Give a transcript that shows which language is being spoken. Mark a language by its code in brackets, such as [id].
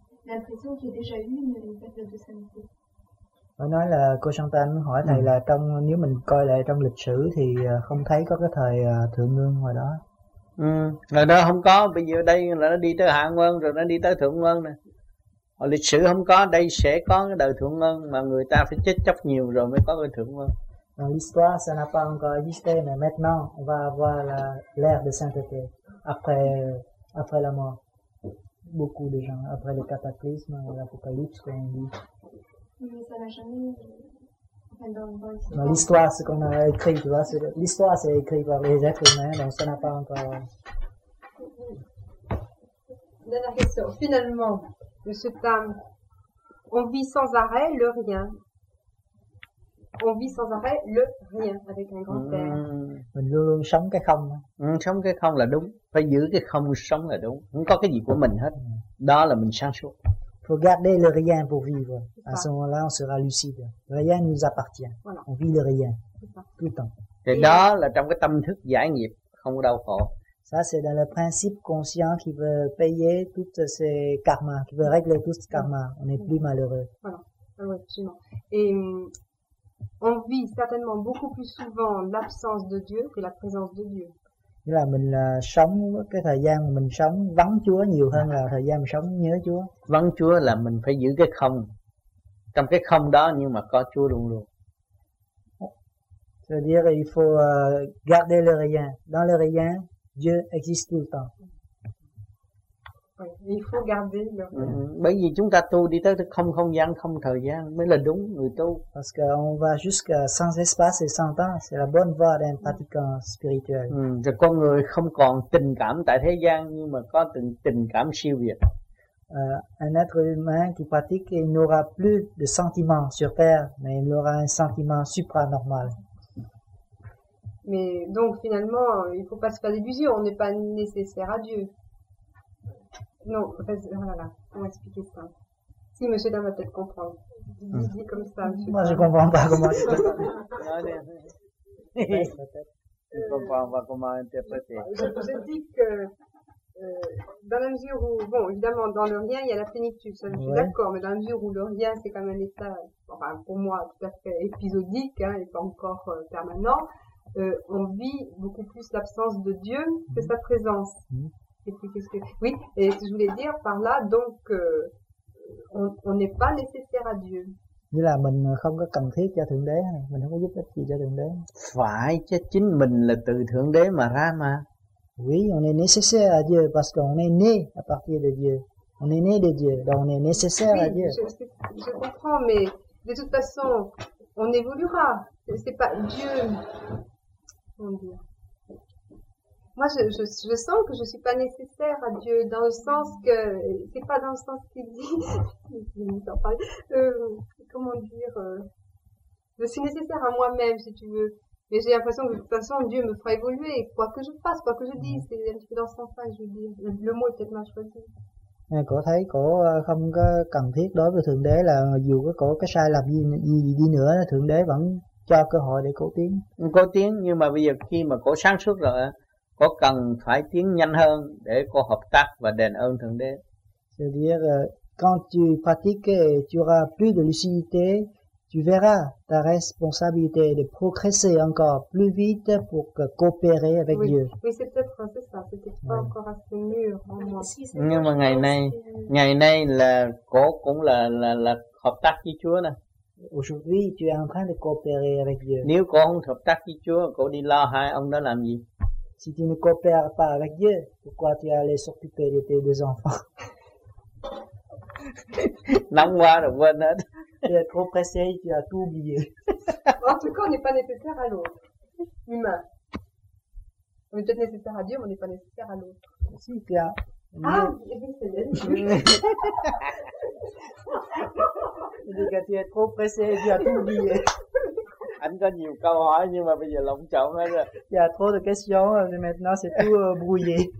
[fr] l'impression qu'il y a déjà eu une période de sainteté. [vi] Nói là cô Chantal hỏi thầy là trong, nếu mình coi lại trong lịch sử thì không thấy có cái thời thượng ngương hồi đó. Ừ, rồi đó không có, bây giờ đây là nó đi tới hạ ngương rồi nó đi tới thượng ngương nè. Hồi lịch sử không có, đây sẽ có cái đời thượng ngương mà người ta phải chết chóc nhiều rồi mới có cái thượng ngương. [fr] Dans l'histoire, ça n'a pas encore existé, mais maintenant, on va avoir l'ère de sainteté. Après la mort, beaucoup de gens, après le cataclysme, l'apocalypse, comme on dit. Mais ça n'a jamais. Enfin, dans l'histoire, ce qu'on a écrit, tu vois, c'est, l'histoire, c'est écrit par les êtres humains, donc ça n'a pas encore. Dernière question. Finalement, monsieur Tam, on vit sans arrêt le rien. On vit sans arrêt le rien avec un grand père. [vi] Mình luôn luôn sống cái không. Sống cái không là đúng. Phải giữ cái không sống là đúng. Không có cái gì của mình hết. Đó là mình sáng suốt. [fr] Faut garder le rien pour vivre. À ce moment-là, on sera lucide. Rien nous appartient. Voilà. On vit le rien. Tout le temps. [vi] Thì đó là trong cái tâm thức giải nghiệp, không có đau khổ. [fr] Ça, c'est dans le principe conscient qui veut payer toutes ses karmas, qui veut régler tout ce karma. On n'est plus malheureux. Voilà. Ah oui, absolument. Et on vit certainement beaucoup plus souvent l'absence de Dieu que la présence de Dieu. [vi] Nghĩa là mình sống cái thời gian mình sống vắng Chúa nhiều hơn là thời gian mình sống nhớ Chúa. Vắng Chúa là mình phải giữ cái không, trong cái không đó nhưng mà có Chúa luôn luôn. [fr] C'est-à-dire il faut garder le rien. Dans le rien, Dieu existe tout le temps. Oui, il faut garder le rien. [vi] Bởi vì chúng ta tu đi tới không không gian, không thời gian mới là đúng người tu. [fr] Parce qu'on va jusqu'à sans espace et sans temps, c'est la bonne voie d'un pratiquant spirituel. [vi] Rồi con người không còn tình cảm tại thế gian nhưng mà có tình cảm siêu việt. [fr] Un être humain qui pratique, il n'aura plus de sentiments sur terre, mais il aura un sentiment supranormal. Mais donc finalement, il ne faut pas se faire d'illusions, on n'est pas nécessaire à Dieu. Non, voilà, comment expliquer ça? Si, monsieur Dan va peut-être comprendre. Il dit comme ça. Moi, je ne comprends pas comment interpréter. Je ne comprends pas comment interpréter. Je dis que, dans la mesure où, bon, évidemment, dans le rien, il y a la plénitude, ça, je suis d'accord, mais dans la mesure où le rien, c'est quand même un état, enfin, pour moi, tout à fait épisodique, hein, et pas encore permanent. On vit beaucoup plus l'absence de Dieu que sa présence. Et puis, qu'est-ce que... Oui, et je voulais dire par là, donc, on n'est pas nécessaire à Dieu. [vi] Nghĩa là mình không có cần thiết cho Thượng Đế, mình không có giúp ích gì cho Thượng Đế. Phải, chứ chính mình là từ Thượng Đế mà ra mà. [fr] Oui, on est nécessaire à Dieu parce qu'on est né à partir de Dieu. On est né de Dieu, donc on est nécessaire oui, à Dieu. Je comprends, mais de toute façon, on évoluera. C'est pas Dieu. Comment dire? Moi, je sens que je suis pas nécessaire à Dieu dans le sens que c'est pas dans le sens qu'il dit. comment dire? Je suis nécessaire à moi-même, si tu veux. Mais j'ai l'impression que de toute façon, Dieu me fera évoluer, quoi que je fasse, quoi que je dise. C'est un petit peu dans ce sens-là que je veux dire. Le mot est peut-être mal choisi. [vi] Cô thấy cô không có cần thiết đối với Thượng Đế là dù cô có sai lầm gì đi nữa, Thượng Đế vẫn cho cơ hội để cô tiến. Cô tiến, nhưng mà bây giờ khi mà cô sáng suốt rồi, cô cần phải tiến nhanh hơn để cô hợp tác và đền ơn Thượng Đế. [fr] C'est-à-dire, quand tu pratiques, tu auras plus de lucidité, tu verras ta responsabilité de progresser encore plus vite pour coopérer avec oui. Dieu. Oui, c'est peut-être ça, c'est peut-être pas encore assez mûr. Hein, [vi] nhưng mà ngày nay là cô cũng là hợp tác với Chúa nè. [fr] Aujourd'hui, tu es en train de coopérer avec Dieu. [vi] Nếu cô không hợp tác với Chúa, cô đi lo hai ông đó làm gì? [fr] Si tu ne coopères pas avec Dieu, pourquoi tu es allé s'occuper de tes deux enfants? [vi] Nóng quá rồi quên hết. [fr] Tu es trop pressé, tu as tout oublié. En tout cas, on n'est pas nécessaire à l'autre. Humain. On est peut-être nécessaire à Dieu, mais on n'est pas nécessaire à l'autre. Si, c'est clair. Ah, il dit que tu es trop pressé, tu as tout oublié. [vi] Anh có nhiều câu hỏi nhưng mà bây giờ lộn xộn hết rồi. [fr] Il y a trop de questions, mais maintenant c'est tout brouillé.